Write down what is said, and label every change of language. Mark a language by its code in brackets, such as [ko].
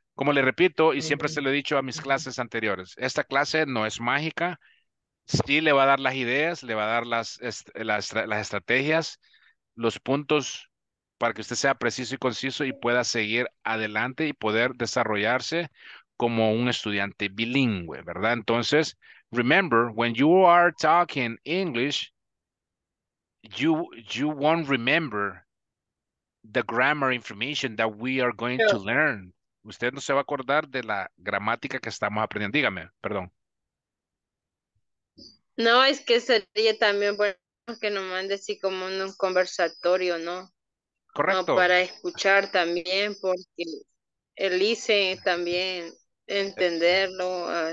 [es] Como le repito y siempre se lo he dicho a mis clases anteriores, esta clase no es mágica. Sí le va a dar las ideas, le va a dar las estrategias, los puntos para que usted sea preciso y conciso y pueda seguir adelante y poder desarrollarse como un estudiante bilingüe, ¿verdad? [en] Entonces, remember, when you are talking English, you won't remember the grammar information that we are going to learn. [es] Usted no se va a acordar de la gramática que estamos aprendiendo. Dígame, perdón. No, es que sería también bueno que nos mande así como un conversatorio, ¿no? Correcto. No, para escuchar también, porque el listen también, entenderlo.